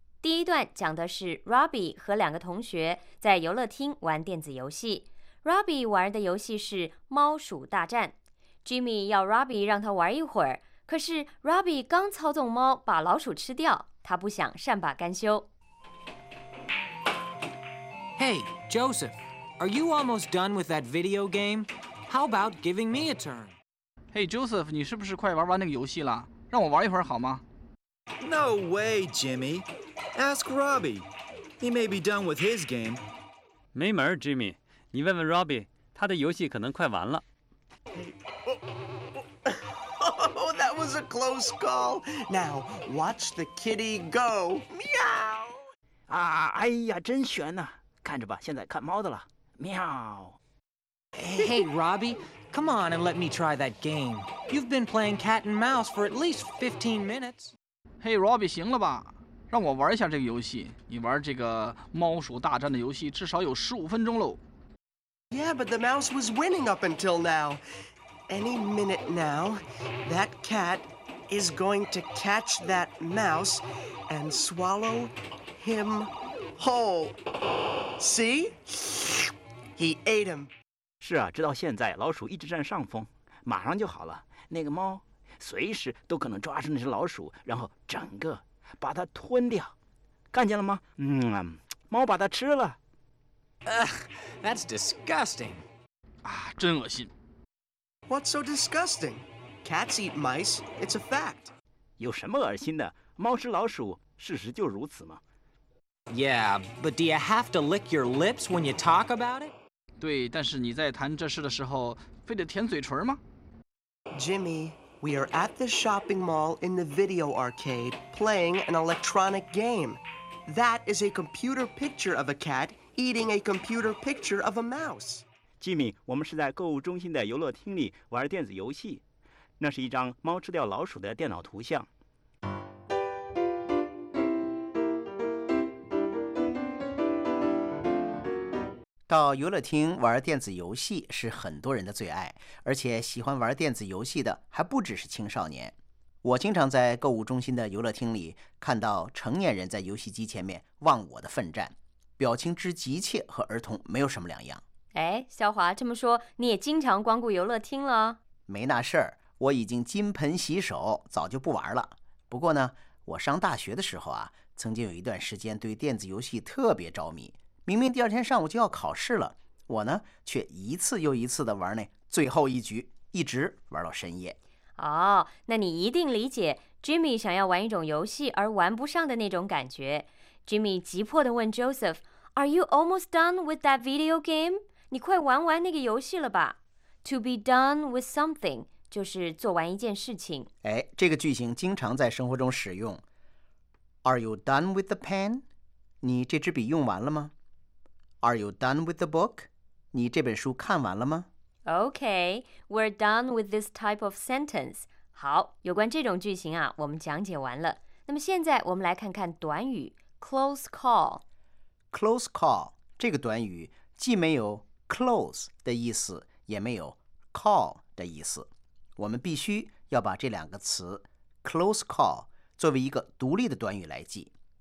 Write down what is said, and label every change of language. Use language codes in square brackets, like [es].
[zh] 第一段讲的是 Robbie 和两个同学在游乐厅玩电子游戏。 Robbie 玩的游戏是猫鼠大战， Jimmy 要 Robbie 让他玩一会儿，可是 Robbie 刚操纵猫把老鼠吃掉，他不想善罢甘休。 [en] Hey Joseph, are you almost done with that video game? How about giving me a turn? [zh] Hey Joseph, 你是不是快玩完那个游戏了？让我玩一会儿好吗？ [en] No way, Jimmy. Ask Robbie. He may be done with his game. [zh] 没门 Jimmy. 你问问 Robbie, 他的游戏可能快完了。 [en] Oh, that was a close call. Now, watch the kitty go. Meow! [zh] 啊，哎呀，真悬啊。看着吧，现在看猫的了。Meow! [en] Hey, Robbie, come on and let me try that game. You've been playing cat and mouse for at least 15 minutes. [zh] Hey, Robbie, 行了吧。让我玩一下这个游戏，你玩这个猫鼠大战的游戏至少有15分钟喽。 [en] Yeah, but the mouse was winning up until now. Any minute now, that cat is going to catch that mouse and swallow him whole. See? He ate him. [zh] 是啊，直到现在老鼠一直占上风，马上就好了。那个猫随时都可能抓住那只老鼠，然后整个。把它吞掉，看见了吗？猫把它吃了。 [en] That's disgusting. [zh] 啊，真恶心。 [en] What's so disgusting? Cats eat mice. It's a fact. [zh] 有什么恶心的？猫吃老鼠，事实就如此嘛。 [en] Yeah, but do you have to lick your lips when you talk about it? [zh] 对，但是你在谈这事的时候，非得舔嘴唇吗？Jimmy. [en] We are at the shopping mall in the video arcade playing an electronic game. That is a computer picture of a cat eating a computer picture of a mouse. [zh] Jimmy, 我们是在购物中心的游乐厅里玩电子游戏。那是一张猫吃掉老鼠的电脑图像。到游乐厅玩电子游戏是很多人的最爱，而且喜欢玩电子游戏的还不只是青少年。我经常在购物中心的游乐厅里看到成年人在游戏机前面忘我的奋战，表情之急切和儿童没有什么两样。哎，小华，这么说你也经常光顾游乐厅了？没那事儿，我已经金盆洗手，早就不玩了。不过呢，我上大学的时候啊，曾经有一段时间对电子游戏特别着迷，明明第二天上午就要考试了，我呢却一次又一次的玩那最后一局，一直玩到深夜。哦，那你一定理解 Jimmy 想要玩一种游戏而玩不上的那种感觉。 [en] Jimmy [zh] 急迫地问 [en] Joseph， Are you almost done with that video game? [zh] 你快玩完那个游戏了吧？ [en] To be done with something [zh] 就是做完一件事情。哎，这个句型经常在生活中使用。 [en] Are you done with the pen? [zh] 你这支笔用完了吗？ [en] Are you done with the book? [zh] 你这本书看完了吗？ [en] Okay, we're done with this type of sentence. [zh] 好，有关这种句型啊，我们讲解完了。那么现在我们来看看短语 close call。 Close call 这个短语既没有 close 的意思，也没有 call 的意思。我们必须要把这两个词 close call 作为一个独立的短语来记。